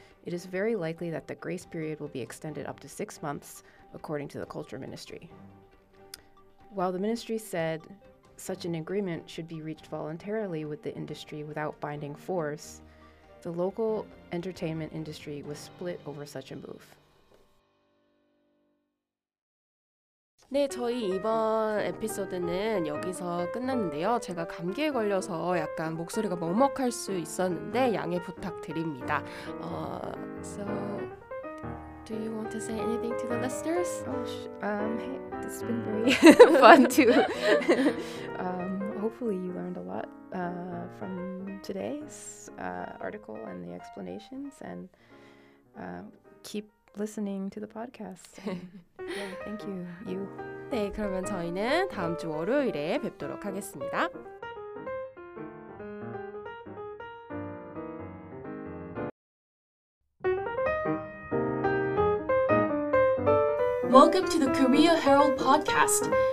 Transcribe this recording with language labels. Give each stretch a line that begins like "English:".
English: It is very likely that the grace period will be extended up to 6 months, according to the Culture Ministry. While the ministry said such an agreement should be reached voluntarily with the industry without binding force, the local entertainment industry was split over such a move.
Korean: 네, 저희 이번 에피소드는 여기서 끝났는데요. 제가 감기에 걸려서 약간 목소리가 먹먹할 수 있었는데 양해 부탁드립니다.
English: So, do you want to say anything to the listeners? Hey, this has been very fun too. Hopefully you learned a lot from today's article and the explanations, and keep listening to the podcast. Yeah, thank you. You.
Korean: 네, 그러면 저희는 다음 주 월요일에 뵙도록 하겠습니다.
English: Welcome to the Korea Herald Podcast.